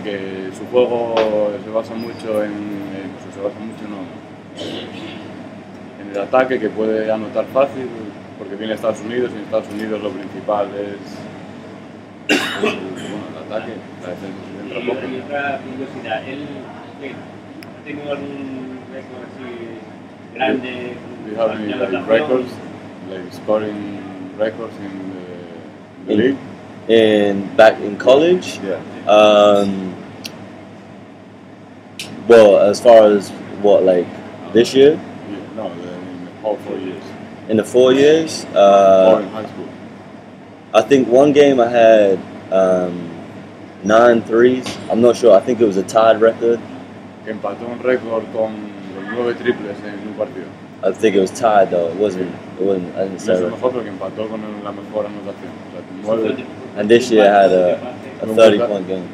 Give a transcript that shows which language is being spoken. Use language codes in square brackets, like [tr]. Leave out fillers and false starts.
[es] Que su juego se basa mucho en el ataque, que puede anotar fácil, porque viene a Estados Unidos y en Estados Unidos lo principal es el ataque. Y otra curiosidad, él ha tenido algún récord así grande. [en] We have any records, like scoring records in the league. Back in college, yeah. Well, as far as what, like this year? Yeah, no, in the whole 4 years. In the 4 years? Or in high school. I think one game I had 9 threes. I'm not sure, I think it was a tied record. [es] Empató un récord con 9 triples en un partido. [en] I think it was tied though, it wasn't a record. [es] Y eso mejor porque empató con la mejor anotación. [en] And this year I had a 30-point game.